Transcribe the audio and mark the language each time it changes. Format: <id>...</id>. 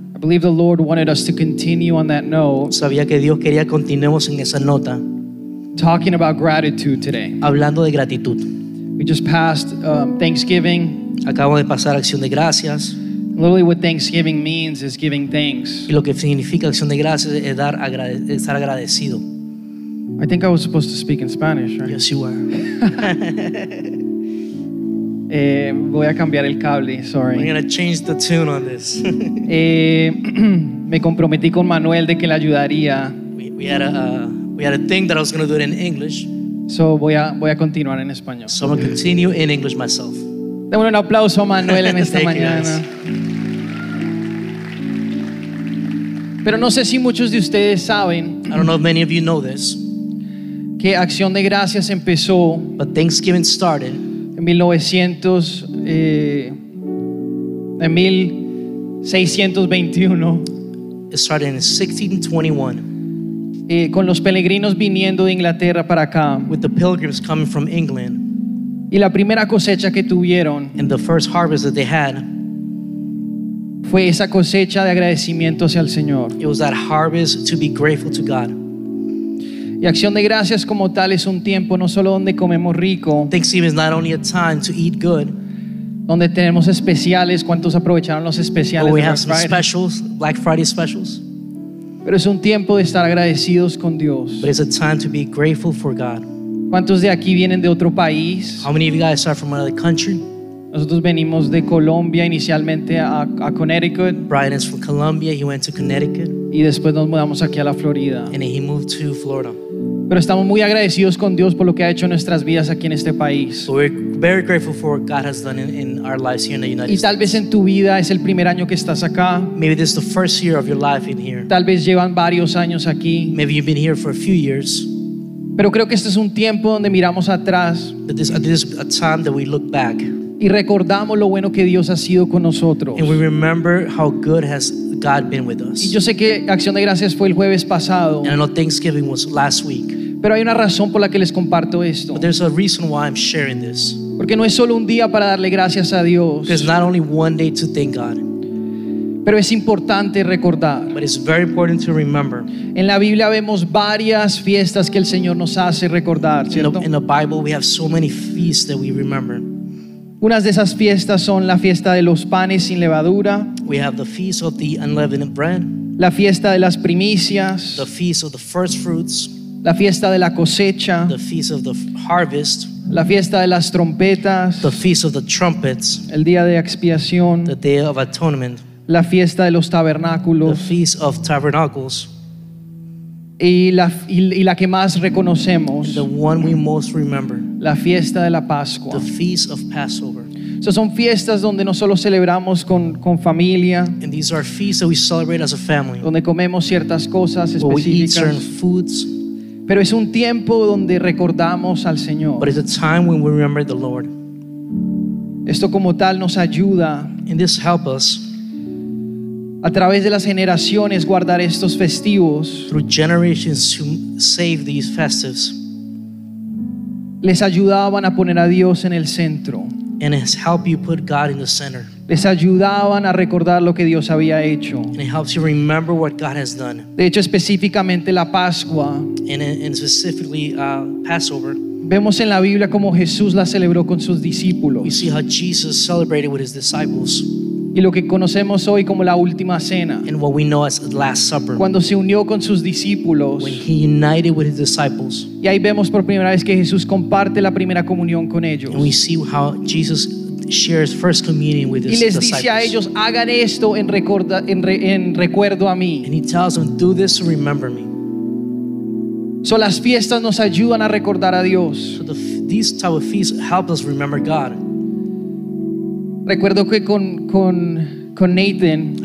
<en>I believe the Lord wanted us to continue on that note.</en> <es>Sabía que Dios quería continuemos en esa nota.</es> <en>Talking about gratitude today.</en> <es>Hablando de gratitud.</es> <en>We just passed Thanksgiving.</en> <es>Acabo de pasar Acción de Gracias.</es> <en>Literally, what Thanksgiving means is giving thanks.</en> <es>Y lo que significa Acción de Gracias es dar estar agradecido.</es> <en>I think I was supposed to speak in Spanish, right? Yes, you were.</en> <es>voy a cambiar el cable. Sorry.</es> <en>I'm gonna change the tune on this.</en> <es>me comprometí con Manuel de que le ayudaría.</es> <en>We had a thing that I was gonna do it in English.</en> <es>So voy a continuar en español.</es> <en>So I'm going to continue in English myself.</en> <es>Dame un aplauso a Manuel en esta mañana. Pero no sé si muchos de ustedes saben.</es> <en>I don't know if many of you know this.</en> <es>Que Acción de Gracias empezó.</es> <en>But Thanksgiving started.</en> <es>En 1621.</es> <en>It started in 1621.</en> <es>Con los peregrinos viniendo de Inglaterra para acá.</es> <en>With the pilgrims coming from England.</en> <es>Y la primera cosecha que tuvieron.</es> <en>And the first harvest that they had.</en> <es>Fue esa cosecha de agradecimiento hacia el Señor.</es> <en>It was that harvest to be grateful to God.</en> <es>Y Acción de Gracias como tal es un tiempo no solo donde comemos rico.</es> <en>Thanksgiving is not only a time to eat good.</en> <es>Donde tenemos especiales. ¿Cuántos aprovecharon los especiales?</es> <en>We have some specials, Black Friday specials.</en> <es>Pero es un tiempo de estar agradecidos con Dios.</es> <en>But it's a time to be grateful for God.</en> <es>¿Cuántos de aquí vienen de otro país?</es> <en>How many of you guys are from another country?</en> <es>Nosotros venimos de Colombia inicialmente a Connecticut.</es> <en>Brian is from Colombia. He went to Connecticut.</en> <es>Y después nos mudamos aquí a la Florida.</es> <en>And he moved to Florida.</en> <es>Pero estamos muy agradecidos con Dios por lo que ha hecho en nuestras vidas aquí en este país.</es> <en>So we're very grateful for what God has done in our lives here in the United States.</en> <es>Y tal vez en tu vida es el primer año que estás acá.</es> <en>Maybe this is the first year of your life in here.</en> <es>Tal vez llevan varios años aquí.</es> <en>Maybe you've been here for a few years.</en> <es>Pero creo que este es un tiempo donde miramos atrás.</es> <en>But this is a time that we look back.</en> <es>Y recordamos lo bueno que Dios ha sido con nosotros.</es> <en>And we remember how good has God been with us.</en> <es>Y yo sé que Acción de Gracias fue el jueves pasado.</es> <en>And I know Thanksgiving was last week.</en> <es>Pero hay una razón por la que les comparto esto.</es> <en>But there's a reason why I'm sharing this.</en> <es>Porque no es solo un día para darle gracias a Dios.</es> <en>Because it's not only one day to thank God.</en> <es>Pero es importante recordar.</es> <en>But it's very important to remember.</en> <es>En la Biblia vemos varias fiestas que el Señor nos hace recordar, ¿cierto?</es> <en>In the Bible we have so many feasts that we remember.</en> <es>Unas de esas fiestas son la fiesta de los panes sin levadura.</es> <en>We have the feast of the unleavened bread.</en> <es>La fiesta de las primicias.</es> <en>The feast of the first fruits.</en> <es>La fiesta de la cosecha.</es> <en>The feast of the harvest.</en> <es>La fiesta de las trompetas.</es> <en>The feast of the trumpets.</en> <es>El día de expiación.</es> <en>The day of atonement.</en> <es>La fiesta de los tabernáculos.</es> <en>The feast of tabernacles.</en> <es>Y la que más reconocemos.</es> <en>And the one we most remember.</en> <es>La fiesta de la Pascua.</es> <en>The feast of Passover.</en> <es>So son fiestas donde no solo celebramos con familia.</es> <en>And these are feasts that we celebrate as a family.</en> <es>Donde comemos ciertas cosas específicas.</es> <en>Where we eat certain foods.</en> <es>Pero es un tiempo donde recordamos al Señor.</es> <en>But it's a time when we remember the Lord.</en> <es>Esto como tal nos ayuda.</es> <en>And this helps us.</en> <es>A través de las generaciones guardar estos festivos.</es> <en>Through generations to save these festivals.</en> <es>Les ayudaban a poner a Dios en el centro.</es> <en>And it helps you put God in the center.</en> <es>Les ayudaban a recordar lo que Dios había hecho.</es> <en>And it helps you remember what God has done.</en> <es>De hecho, específicamente la Pascua.</es> <en>And specifically Passover.</en> <es>Vemos en la Biblia cómo Jesús la celebró con sus discípulos.</es> <en>We see how Jesus celebrated with his disciples.</en> <es>Y lo que conocemos hoy como la última cena.</es> <en>And what we know as the last supper.</en> <es>Cuando se unió con sus discípulos.</es> <en>When he united with his disciples.</en> <es>Y ahí vemos por primera vez que Jesús comparte la primera comunión con ellos.</es> <en>And we see how Jesus shares first communion with his disciples.</en> <es>Y les dice a ellos, hagan esto en recuerdo a mí.</es> <en>And he tells them, do this to remember me.</en> <es>So las fiestas nos ayudan a recordar a Dios.</es> <en>So these type of feasts help us remember God.</en> <es>Recuerdo que con Nathan.</es>